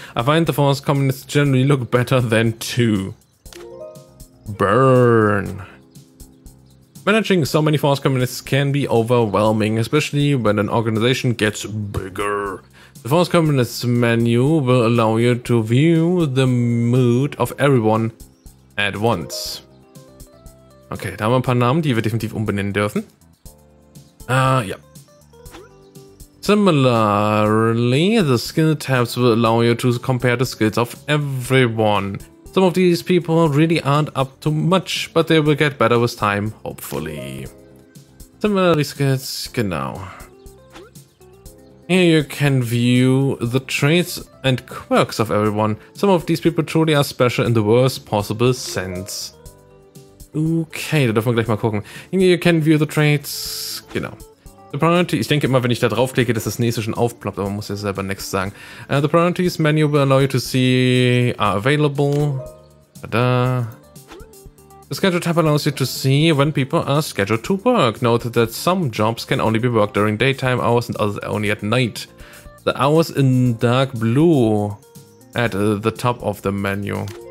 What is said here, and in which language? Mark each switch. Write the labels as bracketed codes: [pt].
[en] I find the force communists generally look better than two. Burn. Managing so many force communists can be overwhelming, especially when an organization gets bigger. The force communists menu will allow you to view the mood of everyone at once. [de] Okay, da haben wir ein paar Namen, die wir definitiv umbenennen dürfen. [en] Yeah. Similarly, the skill tabs will allow you to compare the skills of everyone. Some of these people really aren't up to much, but they will get better with time, hopefully. Similarly, skills, genau. Here you can view the traits and quirks of everyone. Some of these people truly are special in the worst possible sense. [de] Okay, da dürfen wir gleich mal gucken. [en] You can view the traits. [de] Genau. [en] The priority. [de] Ich denke immer, wenn ich da draufklicke, dass das nächste schon aufploppt, aber man muss ja selber next sagen. [en] The priorities menu will allow you to see are available. Tada. The schedule tab allows you to see when people are scheduled to work. Note that some jobs can only be worked during daytime hours and others only at night. The hours in dark blue at the top of the menu.